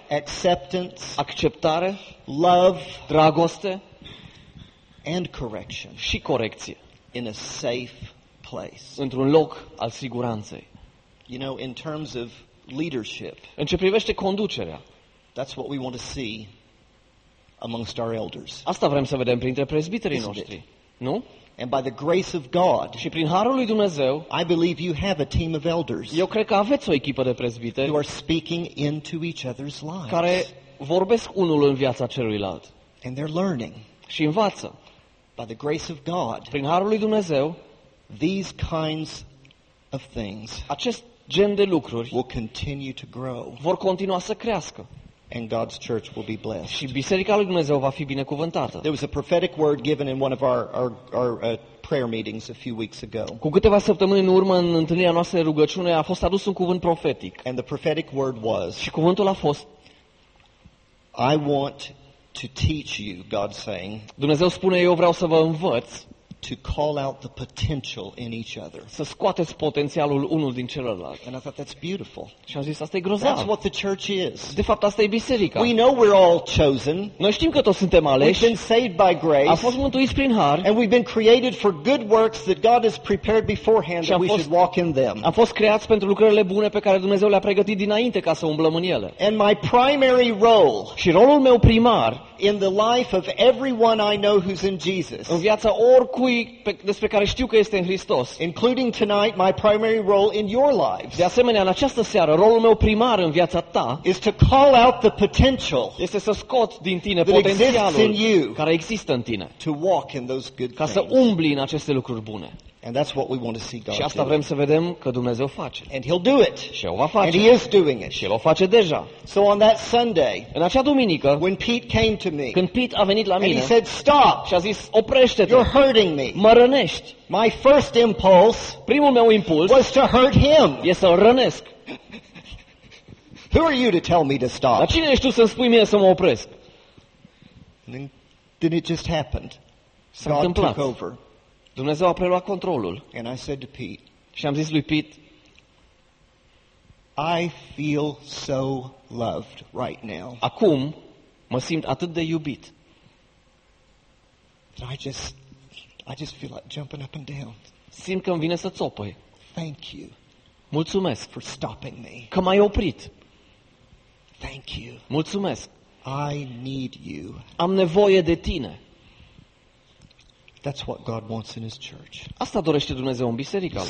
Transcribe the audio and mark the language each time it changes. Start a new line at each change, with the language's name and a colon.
English: acceptance,
Romanian: acceptare,
English: love,
Romanian: dragoste,
English: and correction.
Romanian: Și corecție.
English: In a safe place.
Romanian: Într-un loc al siguranței.
English: You know, in terms of leadership.
Romanian: În ce privește conducerea.
English: That's what we want to see amongst our elders.
Romanian: Asta vrem să vedem printre presbiterii noștri. Nu?
English: And by the grace of God,
Romanian: și prin harul lui Dumnezeu,
English: I believe you have a team of elders.
Romanian: Eu cred că aveți o echipă de presbiteri.
English: Who are speaking into each other's lives.
Romanian: Care vorbesc unul în viața celuilalt.
English: And they're learning.
Romanian: Și învață.
English: By the grace of God,
Romanian: prin harul lui Dumnezeu,
English: these kinds of things,
Romanian: acest gen de lucruri,
English: will continue to grow.
Romanian: Vor continua să crească.
English: And God's church will be blessed.
Romanian: Și biserica lui Dumnezeu va fi binecuvântată.
English: There was a prophetic word given in one of our prayer meetings a few weeks ago.
Romanian: Cu câteva săptămâni în urmă în întâlnirea noastră de rugăciune a fost adus un cuvânt profetic.
English: And the prophetic word was.
Romanian: Și cuvântul a fost.
English: I want to teach you, God saying.
Romanian: Dumnezeu spune, eu vreau să vă învăț.
English: To call out the potential in each other.
Romanian: Să scoateți potențialul unul din celălalt.
English: And I thought that's beautiful.
Romanian: Și am zis, asta e grozav.
English: That's what the church is.
Romanian: De fapt, asta e biserica.
English: We know we're all chosen.
Romanian: Noi știm că toți suntem aleși.
English: We've been saved by grace.
Romanian: Am fost mântuiți prin har.
English: And we've been created for good works that God has prepared beforehand that we should walk in them.
Romanian: Am fost creați pentru lucrările bune pe care Dumnezeu le-a pregătit dinainte ca să umblăm în ele.
English: And my primary role.
Romanian: Și rolul meu primar.
English: In the life of everyone I know who's in Jesus.
Romanian: În viața oricui despre care știu că este în Hristos.
English: Including tonight, my primary role in your lives.
Romanian: De asemenea, în această seară, rolul meu primar în viața ta.
English: Is to call out the potential.
Romanian: Este să scot din tine potențialul care există în tine.
English: To walk in those good things.
Romanian: Ca să umbli în aceste lucruri bune.
English: And that's what we want to see God.
Romanian: Și asta vrem să vedem că Dumnezeu face.
English: And he'll do it.
Romanian: Și el va face.
English: And he is doing it.
Romanian: Și el o face deja.
English: So on that Sunday,
Romanian: în acea duminică,
English: when Pete came to me,
Romanian: când Pete a venit la mine,
English: and he said, "Stop."
Romanian: Și a zis, oprește-te.
English: You're hurting me.
Romanian: Mă rănești.
English: My first impulse,
Romanian: primul meu impuls,
English: was to hurt him.
Romanian: E să-l rănesc.
English: Who are you to tell me to stop?
Romanian: Dar cine ești tu să-mi spui mie să mă opresc?
English: Then it just happened.
Romanian: S-a
English: God
Romanian: întâmplat.
English: Took over.
Romanian: Dumnezeu a preluat controlul.
English: And I said to Pete,
Romanian: și am zis lui Pete,
English: I feel so loved right now.
Romanian: Acum mă simt atât de iubit.
English: I just feel like jumping up and down.
Romanian: Simt că îmi vine să țopăi.
English: Thank you.
Romanian: Mulțumesc
English: for stopping me.
Romanian: Că m-ai oprit.
English: Thank you.
Romanian: Mulțumesc.
English: I need you.
Romanian: Am nevoie de tine.
English: That's what God wants in his church.
Romanian: Asta dorește Dumnezeu în biserica lui.